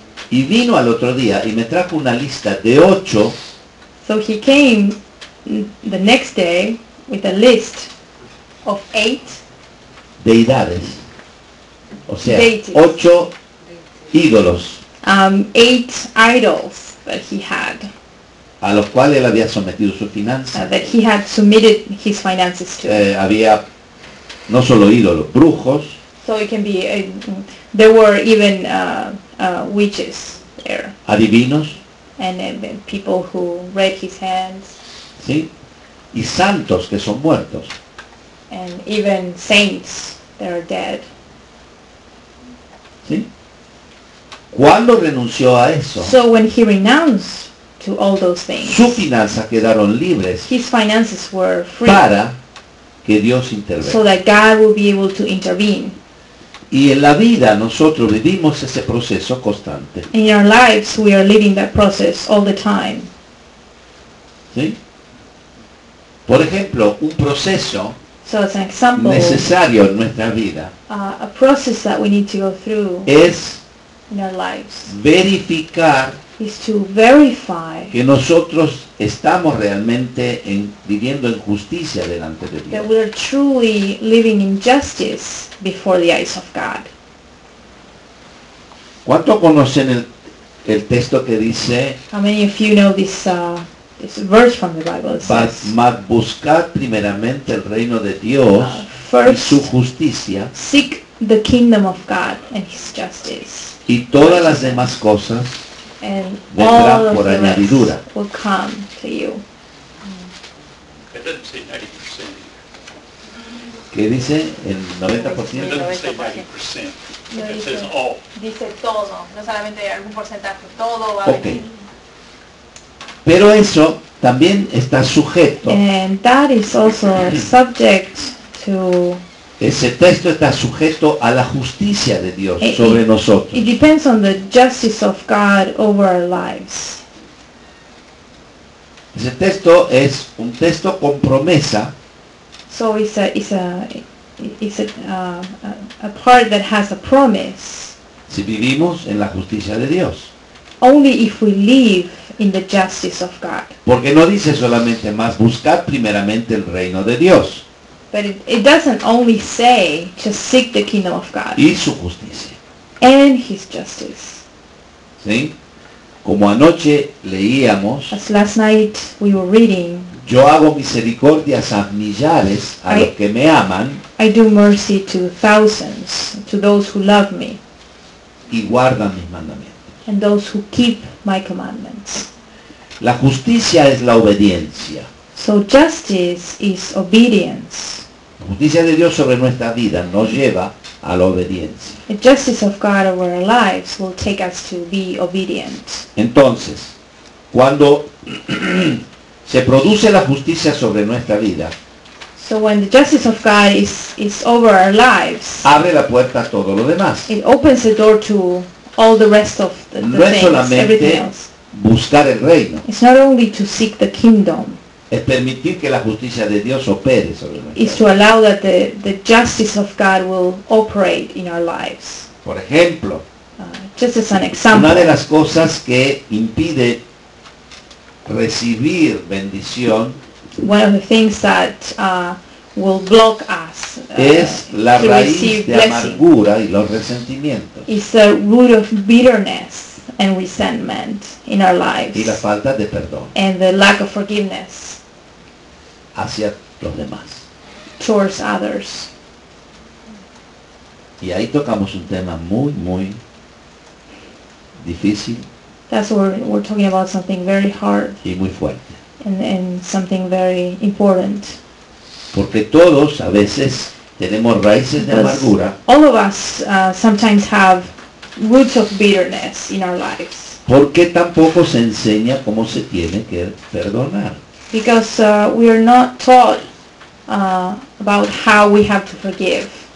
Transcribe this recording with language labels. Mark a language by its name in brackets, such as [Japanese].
[Spanish] Y vino al otro día y me trajo una lista de 8. [English] So he came the next day with a list of 8 [Spanish] deidades. O sea, [English] deities. [Spanish] 8 ídolos. [English] 8 idols that he had. [Spanish] A los cuales él había sometido sus finanzas. [English] That he had submitted his finances to. [Spanish] Había no solo ídolos, brujos. [English] So it can be, there were even witches there. [Spanish] Adivinos. [English] And people who read his hands. [Spanish] Sí. Y santos que son muertos. [English] And even saints that are dead. [Spanish] Sí. ¿Cuándo renunció a eso? [English] So when he renounced to all those things, [Spanish] sus finanzas quedaron libres. [English] His finances were free. [Spanish] Para que Dios intervenga. [English] So that God will be able to intervene. [Spanish] Y en la vida nosotros vivimos ese proceso constante. [English] In our lives we are living that process all the time. [Spanish] ¿Sí? Por ejemplo, un proceso [English] so as an example, [Spanish] necesario en nuestra vida [English] a process that we need to go through [Spanish] es [English] in our lives, [Spanish] verificar [English] is to verify [Spanish] que nosotros estamos realmente en, viviendo en justicia delante de Dios. [English] That we are truly living in justice before the eyes of God. [Spanish] ¿Cuánto conocen el texto que dice? [English] How many of you know this this verse from the Bible? It says, [Spanish] "Mas buscad primeramente el reino de Dios y su justicia." [English] Seek the kingdom of God and His justice. [Spanish] Y todas las demás cosas vendrán por añadidura. [English] And all will come to you. It doesn't say 90%. [Spanish] ¿Qué dice? El 90%. [English] It doesn't say 90%. It says all. [Spanish] Dice todo, no solamente algún porcentaje. Todo va a venir. Okay. Pero eso también está sujeto. [English] And that is also subject to. [Spanish] Ese texto está sujeto a la justicia de Dios sobre nosotros. [English] It depends on the justice of God over our lives. [Spanish] Ese texto es un texto con promesa. [English] So it's a part that has a promise. [Spanish] Si vivimos en la justicia de Dios. [English] Only if we live in the justice of God. [Spanish] Porque no dice solamente más buscar primeramente el reino de Dios. [English] But it doesn't only say just seek the kingdom of God. [Spanish] Y su justicia. [English] And His justice. [Spanish] ¿Sí? Como anoche leíamos. [English] As last night we were reading. [Spanish] Yo hago misericordias a millares a los que me aman. [English] I do mercy to thousands, to those who love me. [Spanish] Y guardan mis mandamientos. [English] And those who keep my commandments. [Spanish] La justicia es la obediencia. [English] So justice is obedience. [Spanish] La justicia de Dios sobre nuestra vida nos lleva a la obediencia. [English] The justice of God over our lives will take us to be obedient. [Spanish] Entonces, cuando se produce la justicia sobre nuestra vida, [English] so when the justice of God is over our lives, [Spanish] abre la puerta a todo lo demás. [English] It opens the door to all the rest of the [Spanish] no [English] things, everything else. [Spanish] Buscar el reino. [English] It's not only to seek the kingdom. [Spanish] Es permitir que la justicia de Dios opere sobre nuestra vida. [English] It's to allow that the justice of God will operate in our lives. [Spanish] Por ejemplo, [English] just as an example, [Spanish] una de las cosas que impide recibir bendición, [English] one of the things that will block us [Spanish] es la raíz de amargura y los resentimientos. [English] It's the root of bitterness and resentment in our lives. [Spanish] Y la falta de perdón. [English] And the lack of forgiveness [Spanish] hacia los demás. [English] Towards others. [Spanish] Y ahí tocamos un tema muy, muy difícil. [English] That's where we're talking about something very hard. [Spanish] Y muy fuerte. [English] And something very important. [Spanish] Porque todos a veces tenemos raíces de amargura. [English] All of us sometimes have roots of bitterness in our lives. [Spanish] ¿Por qué tampoco se enseña cómo se tiene que perdonar? [English] Because we are not taught about how we have to forgive.